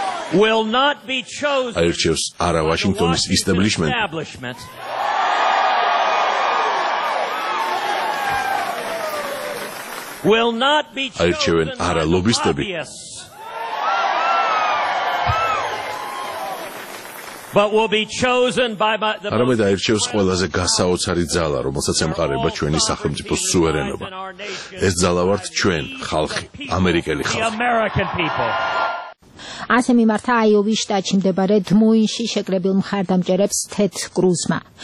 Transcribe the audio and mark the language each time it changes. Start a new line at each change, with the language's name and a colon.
English: Will not be chosen.
Georgian: აირჩევს არა ვაშინგტონის ისტაბლიშმენტ.
English: Will not be chosen.
Georgian: აირჩევენ არა ლობისტები.
English: But will be chosen by the most.
Georgian: არამედ აირჩევს ყველაზე გასაოცარი ძალა, რომელსაც ემყარება ჩვენი სახელმწიფო სუვერენობა. ეს ძალა ვართ ჩვენ, ხალხი, ამერიკელი ხალხი. ასე მიმართა აიოვის შტატში მდებარე დმოინში შეკრებილ მხარდამჭერებს თეთ კრუზმა.